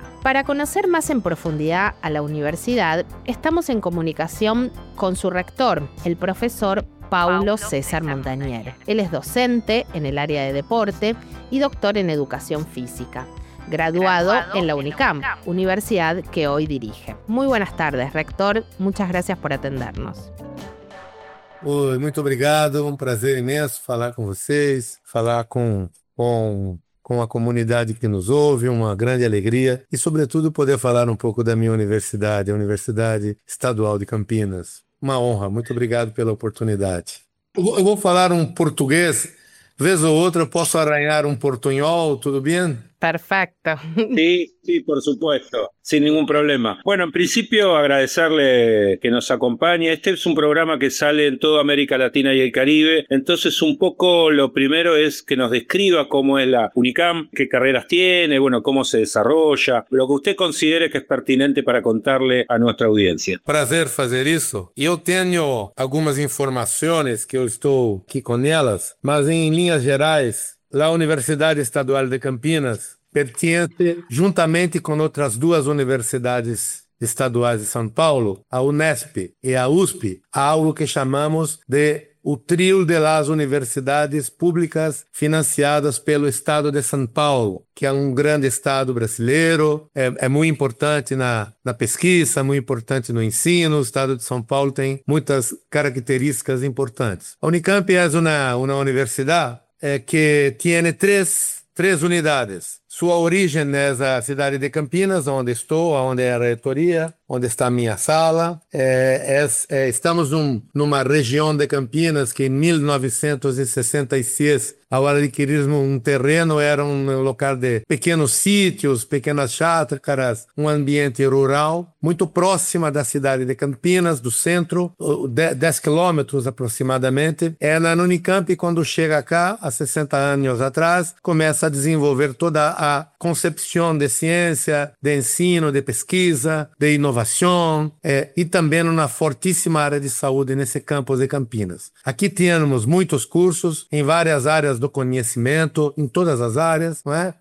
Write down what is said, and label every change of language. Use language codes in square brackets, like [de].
[es] Para conocer más en profundidad a la universidad, estamos en comunicación con su rector, el profesor Paulo César Montañer. Él es docente en el área de deporte y doctor en educación física. Graduado en la UNICAM, universidad que hoy dirige. Muy buenas tardes, rector. Muchas gracias por atendernos. [pt] Oi, muito obrigado. Um prazer imenso falar com vocês, falar com a comunidade que nos ouve, uma grande alegria e, sobretudo, poder falar um pouco da minha universidade, a Universidade Estadual de Campinas. Uma honra. Muito obrigado pela oportunidade. Eu vou falar um português. Vez ou outra, posso arranhar um portunhol, tudo bem? [es] Perfecto. Sí, sí, por supuesto, sin ningún problema. Bueno, en principio agradecerle que nos acompañe. Este es un programa que sale en toda América Latina y el Caribe. Entonces, un poco lo primero es que nos describa cómo es la UNICAM, qué carreras tiene, bueno, cómo se desarrolla, lo que usted considere que es pertinente para contarle a nuestra audiencia. [pt] Prazer fazer isso. Eu tenho algumas informações que eu estou aqui com elas, mas em linhas gerais, la Universidade Estadual de Campinas pertence, juntamente com outras duas universidades estaduais de São Paulo, a Unesp e a USP, a algo que chamamos de o trio de las universidades públicas financiadas pelo Estado de São Paulo, que é um grande estado brasileiro, é muito importante na pesquisa, muito importante no ensino. O Estado de São Paulo tem muitas características importantes. A Unicamp é uma universidade que [es] tiene tres unidades. Su origen es la ciudad de Campinas, donde estoy, donde es la rectoría, donde está mi sala. Estamos en una región de Campinas que en 1966, al adquirir un terreno, era un lugar de pequeños sitios, pequeñas chácaras, un ambiente rural, muy próxima de la ciudad de Campinas, del centro, 10 kilómetros aproximadamente. En la Unicamp, cuando llega acá, a 60 años atrás, comienza [pt] a desenvolver toda a concepção de ciência, de ensino, de pesquisa, de inovação e também uma fortíssima área de saúde nesse campus de Campinas. Aqui temos muitos cursos em várias áreas do conhecimento, em todas as áreas, não é?